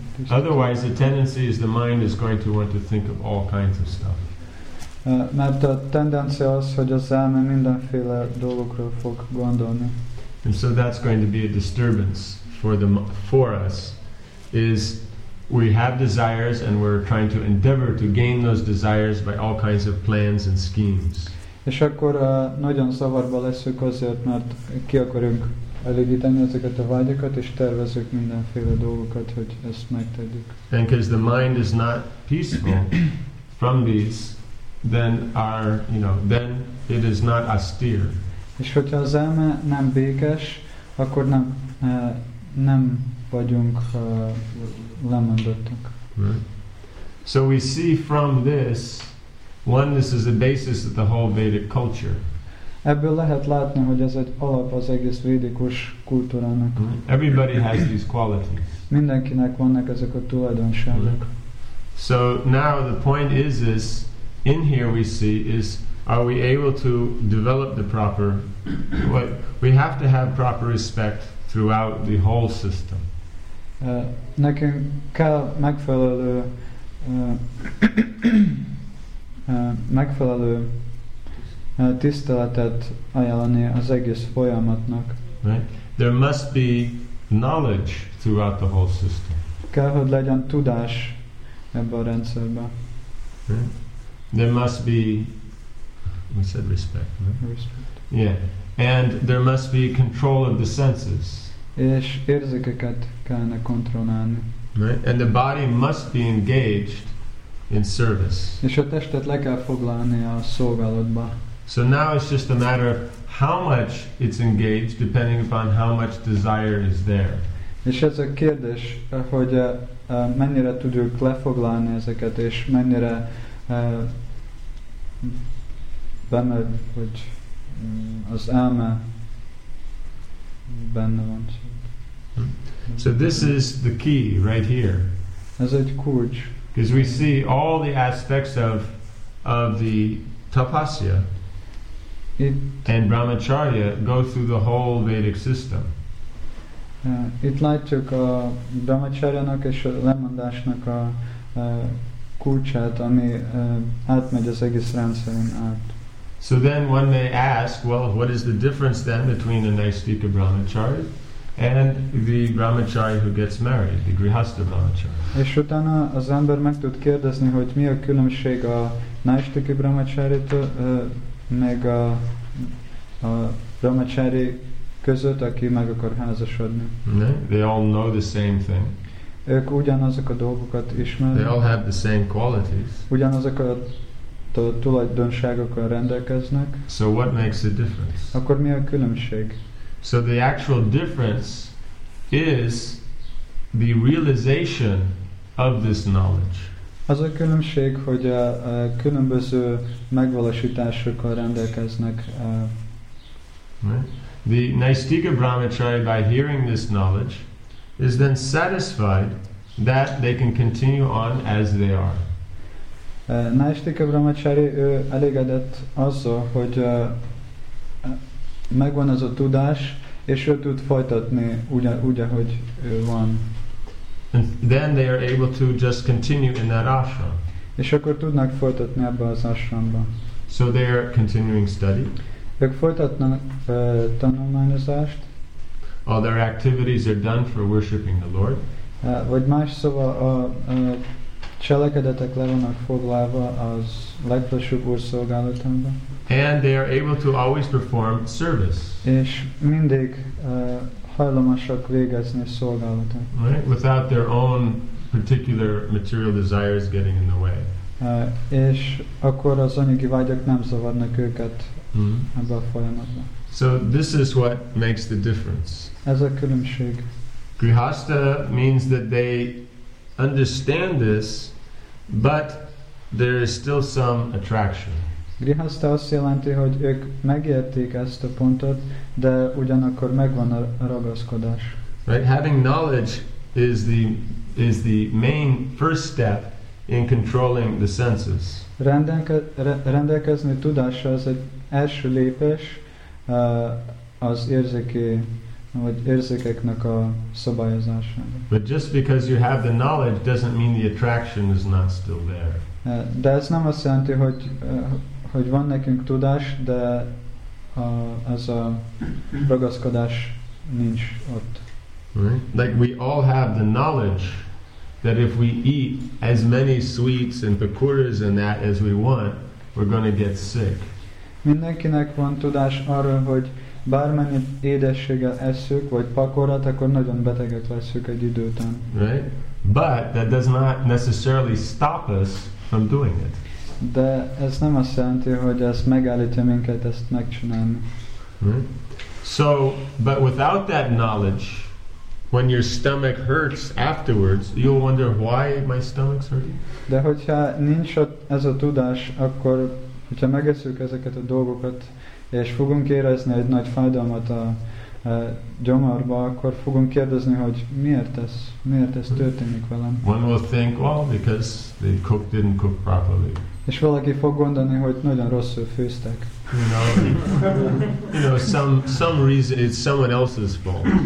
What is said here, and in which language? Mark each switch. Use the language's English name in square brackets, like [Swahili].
[English] Otherwise, the tendency is the mind is going to want to think of all kinds of stuff. [Hungarian] Mert a tendencia az, hogy az elme mindenféle dolgokról fog gondolni. [English] And so that's going to be a disturbance for us. Is we have desires and we're trying to endeavor to gain those desires by all kinds of plans and schemes. [Hungarian] És akkor nagyon zavarba leszünk azért, mert ki akarunk elégíteni ezeket a vágyakat, és tervezünk mindenféle dolgokat, hogy ezt megtegyük. [English] And because the mind is not peaceful from these, then then it is not austere. [Hungarian] És hogyha az elme nem békes, akkor nem vagyunk lemondottak. [English] Right. So we see from this, one, this is the basis of the whole Vedic culture. [Hungarian] Ebből lehet látni, hogy ez egy alap az egész védikus kultúrának. [English] Everybody has these qualities. [Hungarian] Mindenkinek vannak ezek a tulajdonságok. [English] So now the point is in here we see is, are we able to develop the proper, what we have to have proper respect throughout the whole system. [Hungarian] Nekünk kell megfelelő megfelelő tiszteletet ajánlani az egész folyamatnak. [English] Right. There must be knowledge throughout the whole system. [Hungarian] Kell, hogy legyen tudás ebben a rendszerben. [English] There must be, we said respect, right? Respect. Yeah. And there must be control of the senses. [Hungarian] És érzékeket kellene kontrollálni. [English] Yeah. Right? And the body must be engaged in service. [Hungarian] És a testet le kell foglalni a szolgálatba. [English] So now it's just a matter of how much it's engaged, depending upon how much desire is there. [Hungarian] És ez a kérdés, hogy mennyire tudjuk lefoglalni ezeket, és mennyire bemegy, hogy az elme benne van. [English] So this is the key right here. [Hungarian] Ez egy kulcs. [English] Because we see all the aspects of the tapasya it, and brahmacharya go through the whole Vedic system. [Hungarian] Itt látjuk a brahmacharyának és a lemondásnak a kulcsát, ami átmegy az egész rendszerén át. [English] So then one may ask, well, what is the difference then between a naisthika brahmacharya and the brahmacharya who gets married, the grihastha brahmacharya? [Hungarian] És utána az ember meg tud kérdezni, hogy mi a különbség a naisthika brahmacharyától meg a brahmacharya között, aki meg akar házasodni. [English] They all know the same thing. [Hungarian] Ők ugyanazok a dolgokat ismernek. [English] They all have the same qualities. [Hungarian] Ugyanazok a tulajdonságokkal rendelkeznek. [English] So what makes a difference? [Hungarian] Akkor mi a különbség? [English] So the actual difference is the realization of this knowledge. [Hungarian] Az a különbség, hogy a különböző megvalósításokkal rendelkeznek. [English] The naisthika brahmacharya, by hearing this knowledge, is then satisfied that they can continue on as they are. [Hungarian] Naisthika brahmacharya elégedett azzal, hogy megvan ez a tudás, és ő tud folytatni úgy, ahogy ő van. [English] And then they are able to just continue in that ashram. [Hungarian] És akkor tudnak folytatni ebbe az ashramba. [English] So they are continuing study. [Hungarian] Ők folytatnak tanulmányozást. [English] All their activities are done for worshiping the Lord. [Hungarian] Vagy más szóval a cselekedetek le vannak foglalva az legfelsőbb úr szolgálatában. [English] And they are able to always perform service. [Hungarian] És mindig hajlamosak végezni szolgálatot. [English] Right? Without their own particular material desires getting in the way. [Hungarian] És akkor az anyagi vágyak nem zavarnak őket. Mm-hmm. [English] So this is what makes the difference. [Hungarian] Ez a különbség. [English] Grihastha means that they understand this, but there is still some attraction. [Hungarian] Grihastha azt jelenti, hogy ők megérték ezt a pontot, de ugyanakkor megvan a ragaszkodás. [English] Right? Having knowledge is the main first step in controlling the senses. [Hungarian] Rendelkezni tudással az egy első lépés az érzéki vagy érzékeknek a szabályozására. [English] But just because you have the knowledge doesn't mean the attraction is not still there. [Hungarian] De ez nem azt jelenti, hogy hogy van nekünk tudás, de az a ragaszkodás nincs ott. [English] Right? Like we all have the knowledge that if we eat as many sweets and pakoras and that as we want, we're going to get sick. [Hungarian] Mindenkinek van tudás arról, hogy bármennyit édességgel eszünk, vagy pakorát, akkor nagyon betegek leszünk egy idő után. [English] Right? But that does not necessarily stop us from doing it. [Hungarian] De ez nem azt jelenti, hogy ez megállítja minket ezt megcsinálni. [English] Right? So, but without that knowledge, when your stomach hurts afterwards, you'll wonder why my stomach's hurting. [Hungarian] De hogyha nincs ez a tudás, akkor hogyha megesszük ezeket a dolgokat, és fogunk érezni egy nagy fájdalmat a gyomorba, akkor fogunk kérdezni, hogy miért ez történik velem. [English] One will think, well, because the cook didn't cook properly. [Hungarian] És valaki fog gondolni, hogy nagyon rosszul főztek. [English] You know, some reason it's someone else's fault.